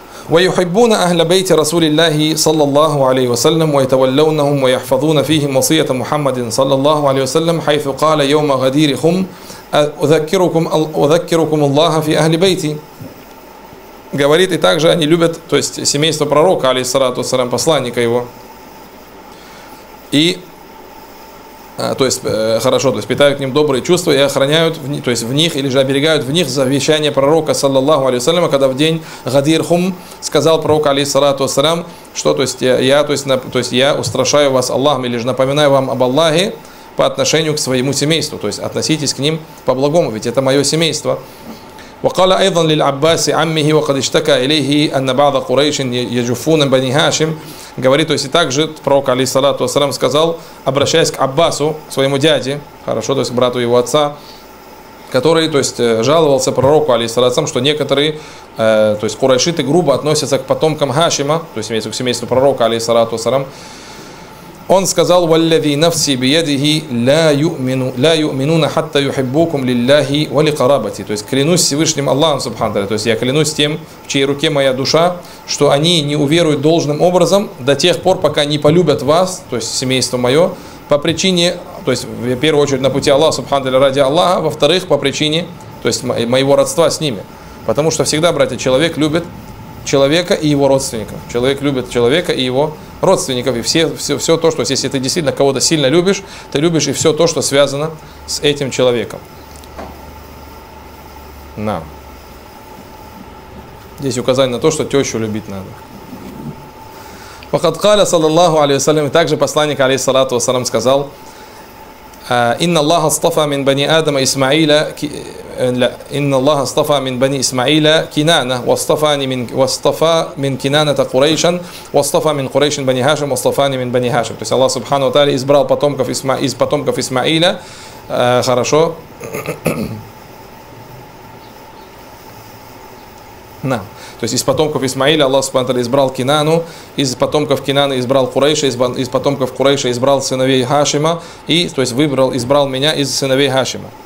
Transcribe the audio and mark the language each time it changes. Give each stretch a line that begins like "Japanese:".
Arabic: ويحبون أهل بيت رسول الله صلى الله عليه وسلم ويتولونهم ويحفظون فيهم وصية محمد صلى الله عليه وسلم حيث قال يوم غديرهم أذكركم الله في أهل بيتي.
Russian: Говорит, и также они любят, то есть семейство пророка, алейхиссалату вассалям, посланника его. И то есть хорошо, то есть питают к ним добрые чувства и охраняют, то есть в них, или же оберегают в них завещание пророка, саллаллаху алейхи вассалям, когда в день Гадирхум сказал пророк, алейхиссалату вассалям, что то есть я устрашаю вас Аллахом, или же напоминаю вам об Аллахе по отношению к своему семейству, то есть относитесь к ним по-благому, ведь это мое семейство.
Arabic: وقال ايضا للعباس عمه وقد اشتكى اليه ان بعض قريش يجفون بني هاشم.
Russian: Говорит, то есть и также пророк алейхиссалату вассалям сказал, обращаясь к Аббасу, своему дяде, хорошо, то есть к брату его отца, который, то есть, жаловался пророку алейхиссалату вассалям, что некоторые, то есть курайшиты грубо относятся к потомкам Хашима, то есть имеется к семейству пророка алейхиссалату вассалям. Он сказал:
Arabic: والذي نفسي بيده لا يؤمنون حتى يحبوكم لله ولقرابتي.
Russian: То есть клянусь Всевышним Аллахом Субханаху, то есть я клянусь тем, в чьей руке моя душа, что они не уверуют должным образом до тех пор, пока не полюбят вас, то есть семейство мое, по причине, то есть в первую очередь на пути Аллаха Субханаху ради Аллаха, во-вторых, по причине, то есть моего родства с ними. Потому что всегда, братья, человек любит человека и его родственников. Человек любит человека и его родственников, и все то, что, то есть, если ты действительно кого-то сильно любишь, ты любишь и все то, что связано с этим человеком. На. Здесь указание на то, что тещу любить надо.
Arabic: وقد قال صلى الله عليه وسلم,
Russian: также посланник
Arabic: عليه الصلاة والسلام
Russian: сказал:
Arabic: إن الله اصطفى من بني آدم إسماعيل إن الله اصطفى من بني إسماعيل كنانة واصطفى من كنانة قريشا واصطفى من قريش بني هاشم واصطفاني من بني هاشم.
Russian: То есть Аллах Субхану ва Тааля избрал потомков Исмаила. Хорошо. На. То есть из потомков Исмаиля Аллах Субхану ва Тааля избрал Кинану, из потомков Кинана избрал Курайша, из потомков Курайша избрал сыновей Хашима, и, то есть, выбрал, избрал меня из сыновей Хашима.